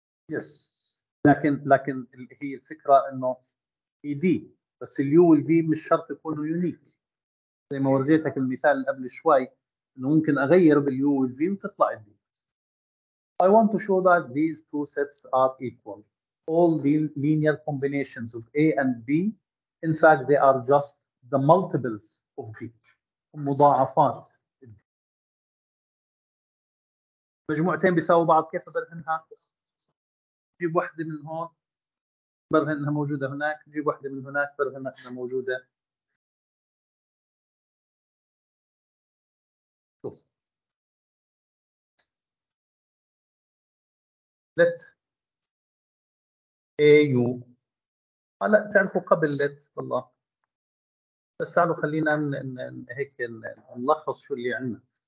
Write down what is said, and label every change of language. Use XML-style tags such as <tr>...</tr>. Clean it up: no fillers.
<ar>يس، لكن اللي هي الفكره انه اي دي بس اليو والبي مش شرط يكونوا يونيك، زي ما ورجيتك المثال اللي قبل شوي ممكن اغير باليو والفي وتطلع الدي.</ar> <en>I want to show that these two sets are equal. All the linear combinations of A and B, in fact, they are just the multiples of B.</en> <ar>مضاعفات الدي. مجموعتين بيساوي بعض، كيف برهنها؟ جيب واحدة من هون برهن انها موجوده هناك، نجيب واحده من هناك برهن انها موجوده. شوف</ar> <en>let AU</en> <ar>هلا تعرفوا قبل let والله، بس تعالوا خلينا هيك نلخص شو اللي عندنا.</ar>